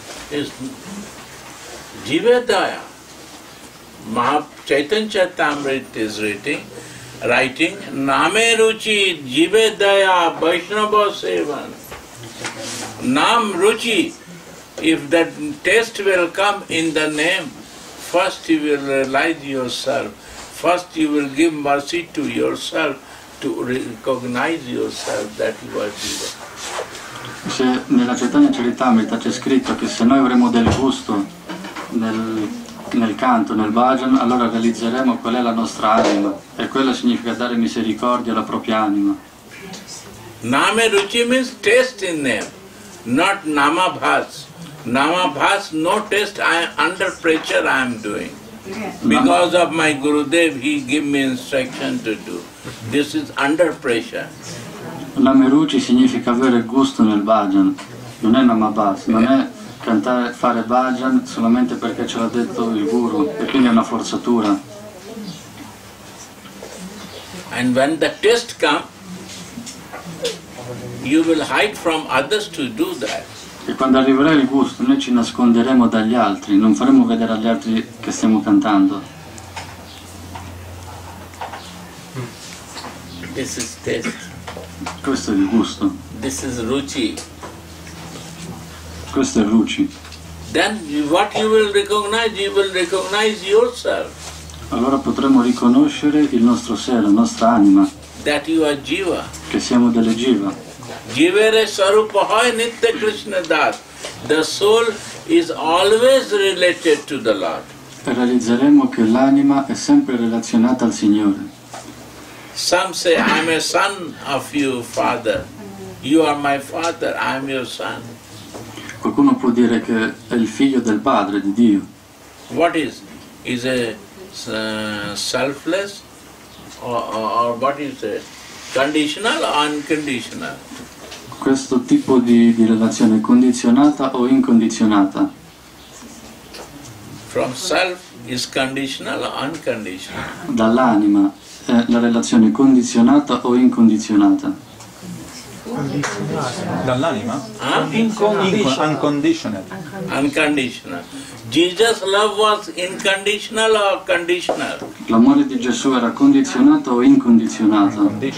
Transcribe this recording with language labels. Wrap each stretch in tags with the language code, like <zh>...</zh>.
<en>Is Jivadaya, Chaitanya Charitamrita is writing, Name Ruchi Jivadaya Vaishnava Sevan. Nam Ruchi, if that taste will come in the name, first you will realize yourself. First you will give mercy to yourself, to recognize yourself that you are Jiva.</en> <it>Se nella Chaitanya Charitamrita c'è scritto che se noi avremo del gusto nel canto, nel bhajan, allora realizzeremo qual è la nostra anima. E quello significa dare misericordia alla propria anima.</it> <en>Name ruchi means taste in name, not namabhas. Namabhas, no taste, I under pressure I am doing. Because of my Gurudev, he give me instruction to do. This is under pressure.</en> <it>Namiruchi significa avere gusto nel bhajan. Non è namabhas, non è cantare, fare bhajan solamente perché ce l'ha detto il guru, e quindi è una forzatura.</it> <en>And when the test come, you will hide from others to do that.</en> <it>E quando arriverà il gusto, noi ci nasconderemo dagli altri, non faremo vedere agli altri che stiamo cantando.</it> <en>This is taste.</en> <it>Questo è il gusto.</it> <en>This is ruchi.</en> <it>Questo è ruchi.</it> <en>Then what you will recognize? You will recognize yourself.</en> <it>Allora potremo riconoscere il nostro sé, la nostra anima.</it> <en>That you are jiva.</en> <it>Che siamo delle jiva.</it> <bn>Jivere Sarupahoy Nitya Krishna Das.</bn> <en>The soul is always related to the Lord.</en> <it>Realizzeremo che l'anima è sempre relazionata al Signore.</it> <en>Some say, I'm a son of you, Father. You are my father, I'm your son.</en> <it>Qualcuno può dire che è il figlio del Padre, di Dio.</it> <en>What is? Is a selfless? Or what is it? Conditional or unconditional?</en> <it>Questo tipo di relazione condizionata o incondizionata?</it> <en>From self is conditional or unconditional?</en> <it>Dall'anima è la relazione condizionata o incondizionata? Dall'anima?</it> <en>Unconditional. Unconditional. Jesus' love was unconditional or conditional?</en> <it>L'amore di Gesù era condizionato o incondizionato?</it>